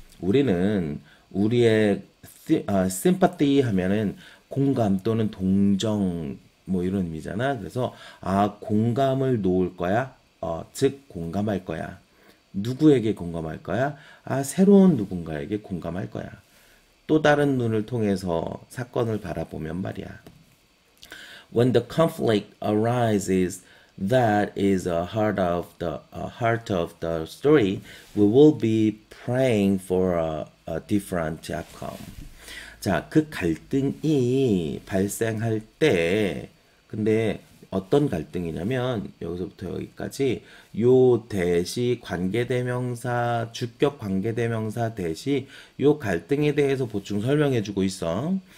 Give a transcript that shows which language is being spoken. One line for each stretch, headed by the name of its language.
Korean: 우리는 우리의 sympathy 하면은 공감 또는 동정 뭐 이런 의미잖아. 그래서 아, 공감을 놓을 거야. 즉 공감할 거야. 누구에게 공감할 거야? 아, 새로운 누군가에게 공감할 거야. 또 다른 눈을 통해서 사건을 바라보면 말이야.
English: When the conflict arises, that is a heart of the heart of the story. We will be praying for a different outcome.
Korean: 자, 그 갈등이 발생할 때, 근데 어떤 갈등이냐면 여기서부터 여기까지 요 대시 관계대명사 주격 관계대명사 대시 요 갈등에 대해서 보충 설명해주고 있어.